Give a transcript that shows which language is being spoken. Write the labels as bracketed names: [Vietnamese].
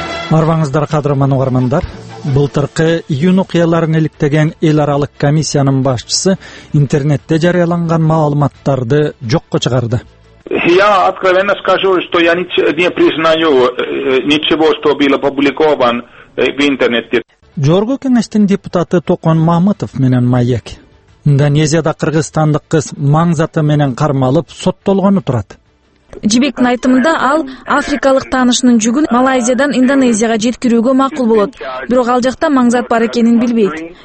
[Kyrgyz] Арбаңыздар кадырман угармандар. Былтыркы июнь окуяларын эликтеген эл аралык комиссиянын башчысы интернетте жарыяланган маалыматтарды жокко чыгарды. [Russian] Я откровенно скажу, что я не признаю ничего, что было опубликовано в интернете. [Kyrgyz] Жогорку кеңештин депутаты Токон Мамытов менен Маек. Индонезияда кыргызстандык кыз маңзаты менен кармалып соттолгону турат. Жибектин айтымында ал африкалык таанышынын жүгүн Малайзиядан Индонезияга жеткирүүгө макул болот, бирок ал жакта маңзат бар экенин билбейт.